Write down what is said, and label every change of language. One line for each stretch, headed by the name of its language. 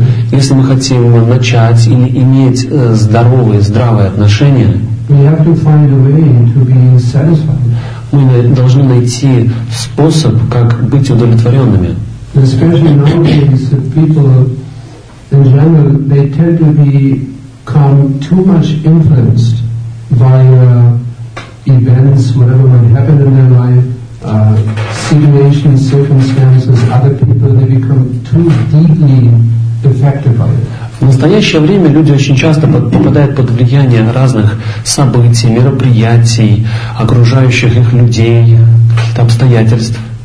Russian: Если мы хотим начать или иметь здоровые, здравые отношения,
English: we have to find a way to be satisfied.
Russian: Мы должны найти способ, как быть удовлетворенными.
English: Especially nowadays, people in general, they tend to become too much influenced by events, whatever might happen in their life, situations, circumstances, other people, they become too deeply affected by it.
Russian: В настоящее время люди очень часто попадают под влияние разных событий, мероприятий, окружающих их людей, каких-то обстоятельств.